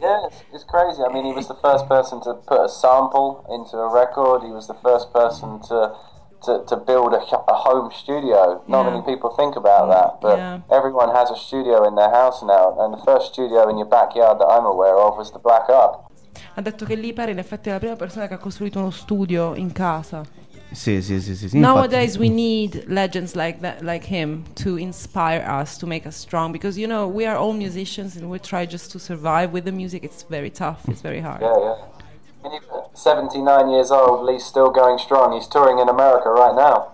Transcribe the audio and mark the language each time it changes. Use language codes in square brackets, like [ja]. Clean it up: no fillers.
[en] Yeah, it's crazy. I mean, he was the first person to put a sample into a record. He was the first person to build a home studio. Not many people think about that, but everyone has a studio in their house now, and the first studio in your backyard that I'm aware of was the Black Up. [it] Ha detto che Lee Perry in effetti è la prima persona che ha costruito uno studio in casa. Sì. [en] Nowadays we need legends like that, like him, to inspire us, to make us strong, because you know, we are all musicians and we try just to survive with the music. It's very tough, it's very hard. Yeah. 79 years old, Lee's still going strong. He's touring in America right now.